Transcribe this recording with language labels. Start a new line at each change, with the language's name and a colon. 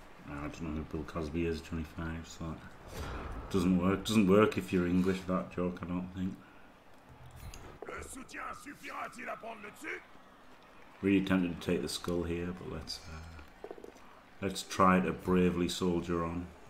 English: I don't know who Bill Cosby is, 25, so that doesn't work. Doesn't work if you're English, that joke, I don't think.
French: Le soutien suffira-t-il à prendre le dessus?
English: Really tempted to take the skull here, but let's try to bravely soldier on.